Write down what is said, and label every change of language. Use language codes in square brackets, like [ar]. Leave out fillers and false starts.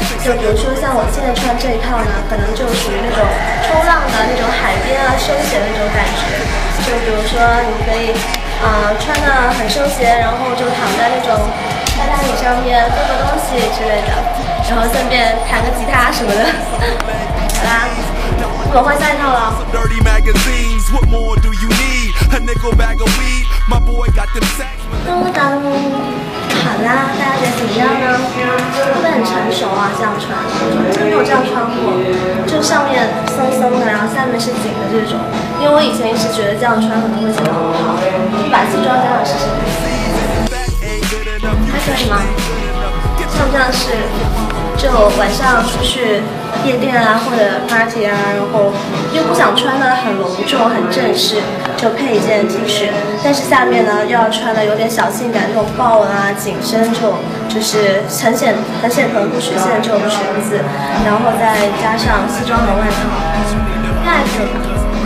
[zh] 就比如说像我现在穿这一套呢，可能就属于那种冲浪的那种海边啊、休闲的那种感觉。就比如说你可以，穿得很休闲，然后就躺在那种沙滩上面做个东西之类的。然后顺便弹个吉他什么的，好啦，我换下一套了。 [en] Dirty magazines, what more do you need? A nickel bag of weed, my boy got them sacks. 噔噔， [zh] 好啦，大家觉得怎么样呢？会不会很成熟啊？这样穿，真的没有这样穿过，就上面松松的，然后下面是紧的这种。因为我以前一直觉得这样穿可能会显得不好，就把西装加上试试。还可以吗？像不像是就晚上出去夜店啊或者 party 啊，然后又不想穿的很隆重很正式，就配一件 T 恤，但是下面呢又要穿的有点小性感，这种豹纹啊、紧身这种，就是很显臀部曲线这种裙子，然后再加上西装的外套，太可爱了。